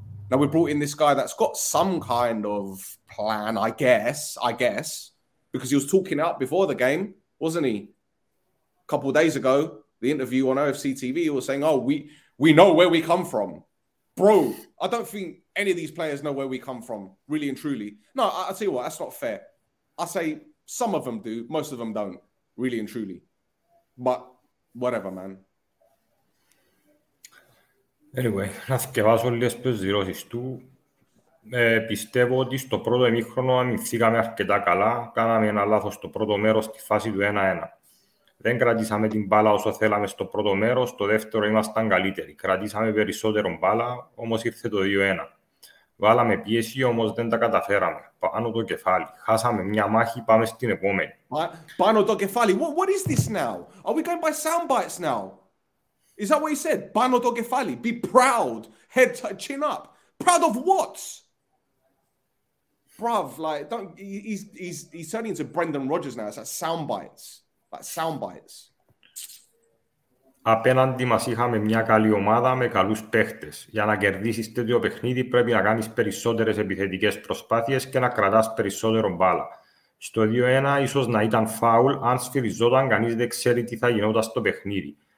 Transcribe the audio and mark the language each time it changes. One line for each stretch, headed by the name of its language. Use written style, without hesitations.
English: Now, we brought in this guy that's got some kind of plan, I guess, because he was talking up before the game, wasn't he? A couple of days ago, the interview on OFC TV was saying, oh, we know where we come from. Bro, I don't think any of these players know where we come from, really and truly. No, I'll tell you what, that's not fair. I say some of them do, most of them don't, really and truly. But whatever, man. Anyway,
Greek: να σκευάζω λίγες περισσότερες του. Πιστεύω ότι στο πρώτο ημίχρονο αμυνθήκαμε αρκετά καλά. Κάναμε ένα λάθος στο πρώτο μέρος στη φάση του 1-1. Δεν κρατήσαμε την μπάλα όσο θέλαμε στο πρώτο μέρος. Στο δεύτερο ήμασταν καλύτεροι. Κρατήσαμε περισσότερο μπάλα, όμως ήρθε το 2-1. Βάλαμε πίεση, όμως δεν τα καταφέραμε. Πάνω το κεφάλι. Χάσαμε μια μάχη, πάμε στην επόμενη. Πάνω το κεφάλι.
English: What is this now? Are we going by sound bites now? Is that what he said?
Greek: Pano to kefali.
English: Be proud. Head to chin up. Proud of what? Bruv, like, don't. He's turning into Brendan Rodgers now. It's like sound bites.
Greek: Απέναντι μας είχαμε μια καλή ομάδα με καλούς παίχτες. Για να κερδίσεις τέτοιο παιχνίδι, πρέπει να κάνεις περισσότερες επιθετικές προσπάθειες και να κρατάς περισσότερο μπάλα. Στο 2-1, ίσως να ήταν φάουλ, αν σφυριζόταν, κανείς δεν ξέρει τι θα γινόταν στο παιχνίδι.